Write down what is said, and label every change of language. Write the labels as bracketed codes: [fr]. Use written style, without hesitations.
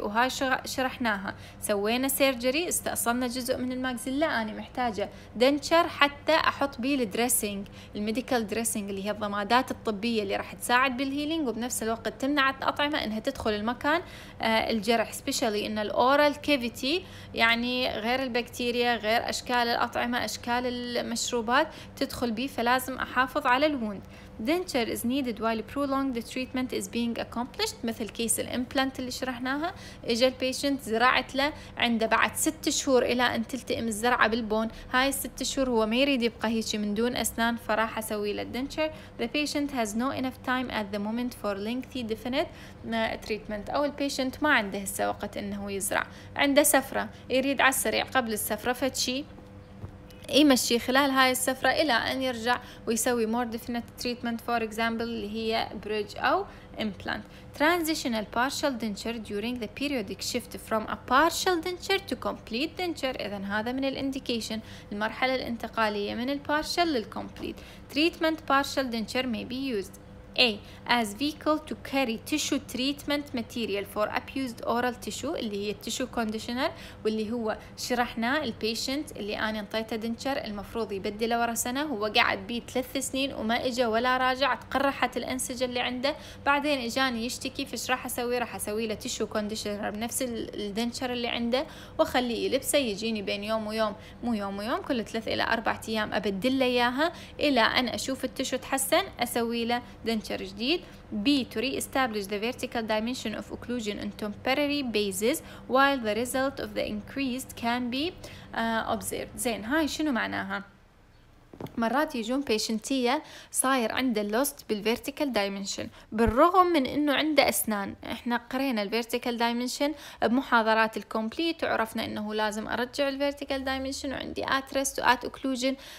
[ar] وهاي شرحناها، سوينا surgery استأصلنا جزء من الماكسيلا، أنا محتاجة denture حتى أحط بيه الدريسنج، الميديكال دريسنج اللي هي الضمادات الطبية اللي راح تساعد بالهيلينج وبنفس الوقت تمنع الأطعمة إنها تدخل المكان الجرح، especially إن الأورال كيفيتي يعني غير البكتيريا غير أشكال الأطعمة أشكال المشروبات تدخل بي، فلازم أحافظ على الوند. [en] Denture is needed while prolonged treatment is being accomplished. [ar] مثل كيس الإمبلانت اللي شرحناها، إجا البيشنت زرعت له عنده بعد 6 شهور إلى أن تلتئم الزرعة بالبون، هاي 6 شهور هو ما يريد يبقى هيجي من دون أسنان فراح أسوي له الدنتشر. [en] The patient has no enough time at the moment for lengthy definite treatment. [ar] أو البيشنت ما عنده هسه وقت إنه يزرع، عنده سفرة يريد على السريع قبل السفرة فتشي يمشي خلال هاي السفرة إلى أن يرجع ويسوي [en] more definite treatment for example [ar] اللي هي bridge أو implant. [en] Transitional partial denture during the periodic shift from a partial denture to complete denture. [ar] إذن هذا من الindication، المرحلة الانتقالية من partial للcomplete. [en] Treatment partial denture may be used A as vehicle to carry tissue treatment material for abused oral tissue [ar] اللي هي [en] tissue conditioner [ar] واللي هو شرحنا البيشنت اللي أنا انطيته دنشر المفروض يبدله ورا سنة، هو قعد بيه 3 سنين وما إجا ولا راجع، تقرحت الأنسجة اللي عنده، بعدين إجاني يشتكي فش راح أسوي؟ راح أسوي له tissue conditioner بنفس الدنشر اللي عنده وخليه يلبسه، يجيني بين يوم ويوم، مو يوم ويوم، كل 3 إلى 4 أيام أبدل له إياها إلى أن أشوف التشو تحسن أسوي له دنتشر جديد. [en] B to re-establish the vertical dimension of occlusion on temporary basis while the result of the increased can be observed. [ar] زين هاي شنو معناها؟ مرات يجون بيشنتية صاير عنده lost بالvertical dimension بالرغم من انه عنده أسنان، احنا قرينا الvertical dimension بمحاضرات الكمبليت وعرفنا انه لازم ارجع الvertical dimension وعندي at rest وat occlusion.